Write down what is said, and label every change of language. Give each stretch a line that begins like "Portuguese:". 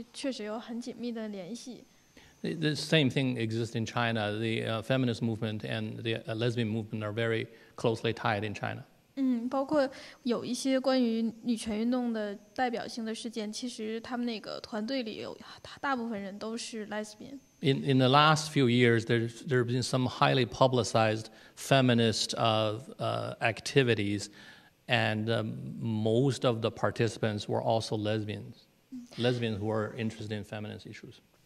Chinese: 我说中文。其实在中国女权运动和拉拉的一些组织确实有很紧密的联系。
English: The same thing exists in China. The feminist movement and the lesbian movement are very closely tied in China.
Chinese: 包括有一些关于女权运动的代表性的事件，其实他们那个团队里有大部分人都是 lesbian.
English: In the last few years, there have been some highly publicized feminist activities, and most of the participants were also lesbians who are interested in feminist issues.